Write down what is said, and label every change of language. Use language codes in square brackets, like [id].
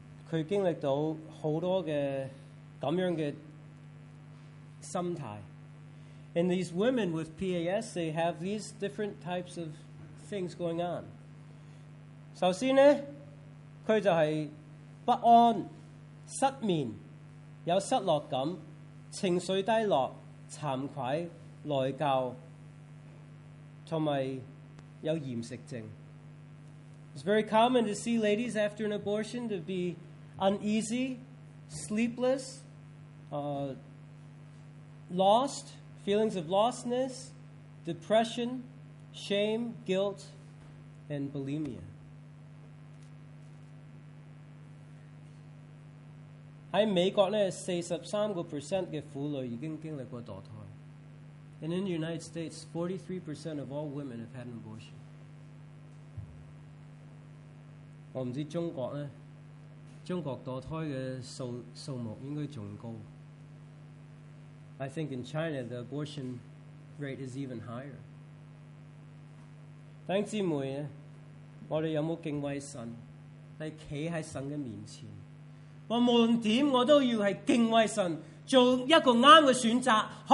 [zh] 他经历到很多的这样的心态. [en] And these women with PAS, they have these different types of things going on. [zh] 首先呢, 他就是不安, 失眠, 有失落感, 情绪低落, 惭愧, 内疚, 还有厌食症. [en] It's very common to see ladies after an abortion to be uneasy, sleepless, lost, feelings of lostness, depression, shame, guilt, and bulimia. [zh] 在美国呢, 43% 的妇女已经经历过堕胎. [en] And in the United States, 43% of all women have had an abortion. [zh] 我不知道中国呢, 中国堕胎的数目应该更高. [en] I think in China, the abortion rate is even higher. [zh] 弟兄姊妹, 我们有没有敬畏神?你站在神的面前, 我无论如何, 我都要敬畏神, 做一个对的选择.